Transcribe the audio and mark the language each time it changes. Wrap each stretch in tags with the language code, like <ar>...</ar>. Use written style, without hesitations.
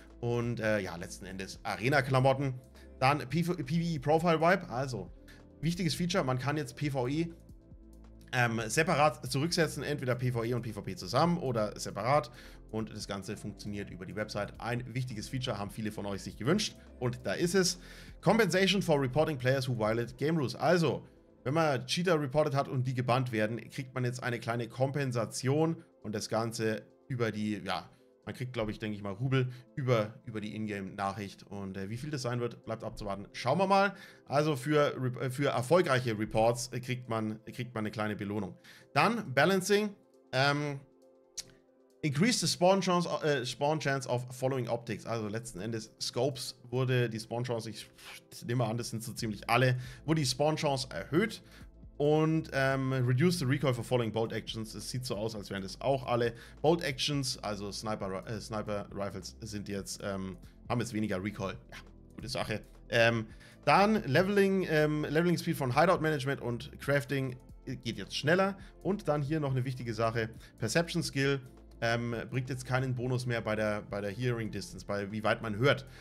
<de>Und ja, letzten Endes Arena-Klamotten. Dann PvE-Profile-Wipe, also wichtiges Feature, man kann jetzt PvE separat zurücksetzen, entweder PvE und PvP zusammen oder separat. Und das Ganze funktioniert über die Website. Ein wichtiges Feature haben viele von euch sich gewünscht. Und da ist es.</de> <en>Compensation for reporting players who violate game rules.</en> <de>Also, wenn man Cheater reported hat und die gebannt werden, kriegt man jetzt eine kleine Kompensation. Und das Ganze über die, ja, man kriegt, glaube ich, denke ich mal, Rubel über die Ingame-Nachricht. Und wie viel das sein wird, bleibt abzuwarten. Schauen wir mal. Also, für erfolgreiche Reports kriegt man eine kleine Belohnung. Dann Balancing.</de> <en>Increase the spawn chance of following optics.</en> <de>Also letzten Endes Scopes wurde die Spawn Chance, ich nehme an, das sind so ziemlich alle, wurde die Spawn Chance erhöht.</de> <en>Und reduce the recoil for following bolt actions.</en> <de>Es sieht so aus, als wären das auch alle. Bolt actions, also Sniper Rifles, sind jetzt, haben jetzt weniger Recoil. Ja, gute Sache. Dann Leveling Speed von Hideout Management und Crafting geht jetzt schneller. Und dann hier noch eine wichtige Sache: Perception Skill. Bringt jetzt keinen Bonus mehr bei der Hearing Distance, bei wie weit man hört.</de>